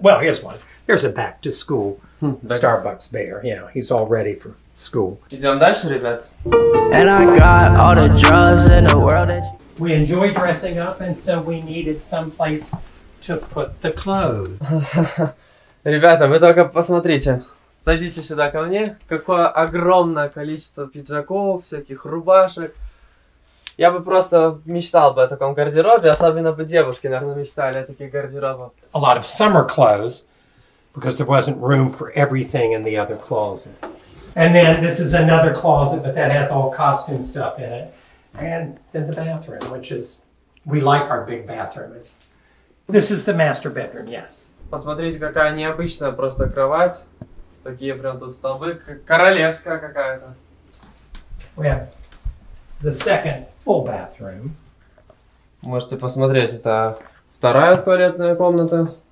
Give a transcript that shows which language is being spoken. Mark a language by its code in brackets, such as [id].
[en] Well, here's one. Here's a back to school Starbucks bear. Yeah, he's all ready for school. [ru] Идем дальше, ребят. [en] And I got all the drugs in the world. We enjoy dressing up, and so we needed some place to put the clothes. [ru] Ребята, вы только посмотрите. Зайдите сюда ко мне. Какое огромное количество пиджаков, всяких рубашек. Я бы просто мечтал бы о таком гардеробе, особенно бы девушки, наверное, мечтали о таких гардеробах. [en] A lot of summer clothes, because there wasn't room for everything in the other closet. And then this is another closet, but that has all costume stuff in it. And then the bathroom, which is, we like our big bathroom. This is the master bedroom, yes. [ru] Посмотрите, какая необычная просто кровать. Такие прям тут столбы, королевская какая-то. [en] We have the second full bathroom. [ru] Можете посмотреть, это вторая туалетная комната.